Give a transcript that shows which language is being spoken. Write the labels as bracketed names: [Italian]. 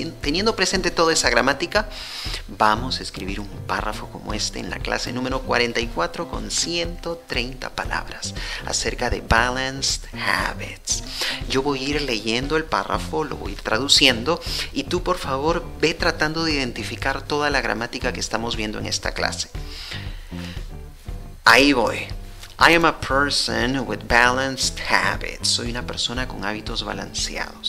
[Spanish] Teniendo presente toda esa gramática, vamos a escribir un párrafo como este en la clase número 44 con 130 palabras acerca de Balanced Habits. Yo voy a ir leyendo el párrafo, lo voy a ir traduciendo y tú por favor ve tratando de identificar toda la gramática que estamos viendo en esta clase. Ahí voy. [English] I am a person with balanced habits. [Spanish] Soy una persona con hábitos balanceados.